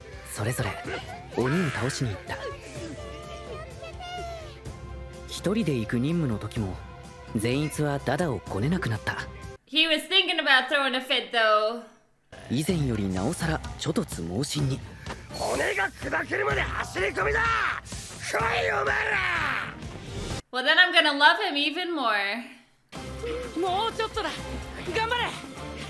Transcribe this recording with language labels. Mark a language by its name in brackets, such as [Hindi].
[Japanese] それぞれ鬼を倒しに行った。一人で行く任務の時も善逸はダダをこねなくなった。 [English] He was thinking about throwing a fit, though. [Japanese] 以前よりなおさら猪突猛進に。骨が砕けるまで走り込みだ。来いお前ら。 [English] Well, then I'm gonna love him even more. [Japanese] もうちょっとだ。頑張れ。